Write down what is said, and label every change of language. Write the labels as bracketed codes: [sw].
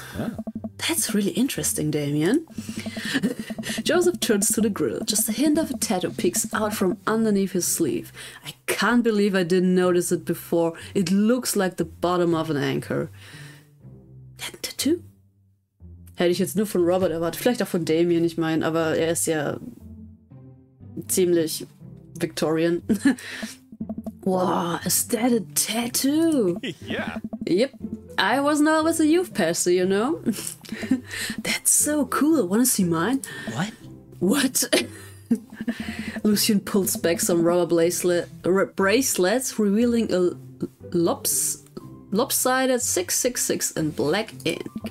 [en] Yeah. That's really interesting, Damien. Joseph turns to the grill. Just a hint of a tattoo peeks out from underneath his sleeve. I can't believe I didn't notice it before. It looks like the bottom of an anchor. That tattoo? [de] Hätte ich jetzt nur von Robert erwartet. Vielleicht auch von Damien, ich meine, aber er ist ja ziemlich Victorian. [en] Wow, is that a tattoo? Yeah. Yep. I wasn't always a youth pastor, you know? That's so cool. Wanna see mine? What? What? Lucien pulls back some rubber bracelets, revealing a lopsided 666 in black ink.